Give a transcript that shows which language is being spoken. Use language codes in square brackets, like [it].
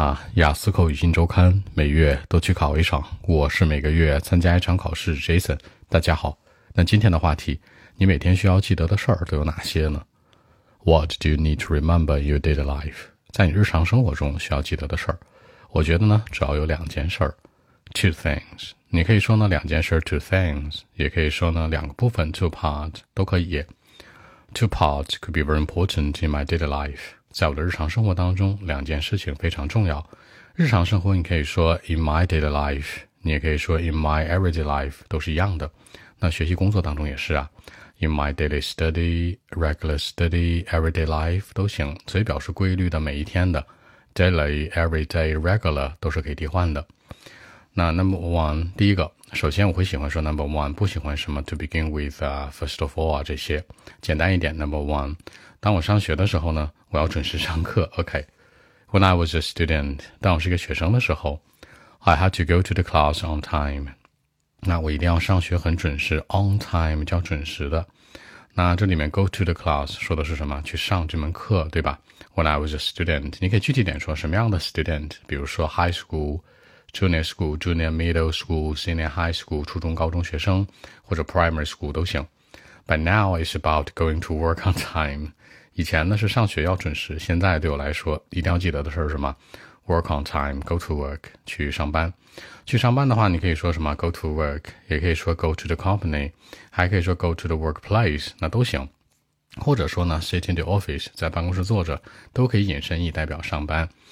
[zh] 啊，雅思口语新周刊每月都去考一场，我是每个月参加一场考试 Jason。大家好，那今天的话题，你每天需要记得的事儿都有哪些呢？ [en] What do you need to remember in your daily life? [zh] 在你日常生活中需要记得的事儿，我觉得呢主要有两件事儿， [en] Two things。 [zh] 你可以说呢两件事 [en] Two things， [zh] 也可以说呢两个部分 [en] Two part [zh] 都可以。 [en] Two part could be very important in my daily life。 [zh] 在我的日常生活当中，两件事情非常重要。日常生活你可以说 [en] in my daily life， [zh] 你也可以说 [en] in my everyday life， [zh] 都是一样的。那学习工作当中也是啊， [en] in my daily study， regular study， everyday life [zh] 都行，所以表示规律的，每一天的 daily， everyday， regular 都是可以替换的。那 [en] number one， [zh] 第一个，首先我会喜欢说 number one， 不喜欢什么 [en] to begin with， first of all [zh] 啊，这些简单一点 number one。当我上学的时候呢，我要准时上课。 [en] OK， When I was a student， [zh] 当我是一个学生的时候 [en] ，I had to go to the class on time。 [zh] 那我一定要上学很准时 ， [en] on time [zh] 叫准时的。那这里面 [en] go to the class [zh] 说的是什么？去上这门课，对吧 ？ [en] When I was a student， [zh] 你可以具体点说什么样的 student， 比如说 [en] high school。 Junior school, junior middle school, senior high school, [zh] 初中高中学生或者 [en] primary school 都行。 But now it's about going to work on time. [zh] 以前呢是上学要准时，现在对我来说一定要记得的事是什么？ [en] Work on time, go to work, [zh] 去上班。去上班的话你可以说什么？ [en] Go to work, [zh] 也可以说 [en] go to the company, [zh] 还可以说 [en] go to the workplace, [zh] 那都行。或者说呢 [en] sit in the office, [zh] 在办公室坐着，都可以引申意代表上班。